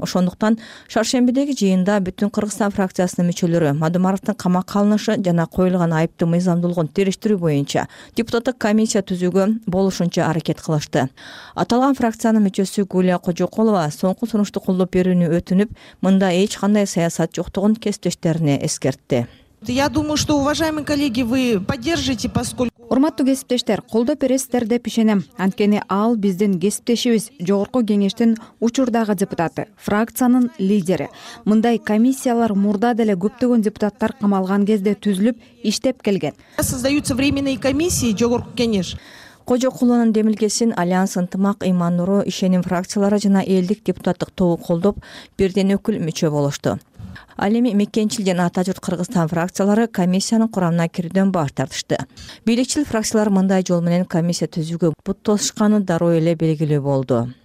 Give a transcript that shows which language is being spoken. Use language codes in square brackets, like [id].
[ky] Ошондуктан шаршембидеги жыйында Бүтүн Кыргызстан фракциясынын мүчөлөрү Мадумаровдун камакка алынышы жана коюлган айыптын мыйзамдуулугун териштирүү боюнча депутаттык комиссия түзүүгө болушунча аракет кылышты. Аталган фракциянын мүчөсү Гүлия Кожокулова соңку сунушту колдоп берүүнү өтүнүп, мында эч кандай саясат жоктугун кесиптештерине эскертти. [ru] Я думаю, что уважаемые коллеги, вы поддержите, поскольку [ky] Урматтуу кесиптештер, колдоп бересиздер деп ишенем. Анткени ал биздин кесиптешибиз, Жогорку Кеңештин учурдагы депутаты, фракциянын лидери. Мындай комиссиялар мурда деле көптөгөн депутаттар камалган кезде түзүлүп, иштеп келген. [ru] Создаются временные комиссии, Жогорку Кеңеш. [ky] Кожокулунун демилгесин Альянс Ынтымак, Иман Нуру, ишеним фракциялары жана элдик депутаттык тобу колдоп, бирден өкүл мүчө болушту. Ал эми Мекенчил жана Атажурт Кыргызстан фракциялары комиссиянын курамына кирүүдөн баш тартышты. Бийликчил фракциялар мындай жол менен комиссия түзүүгө буттошканы дароо эле белгилүү болду.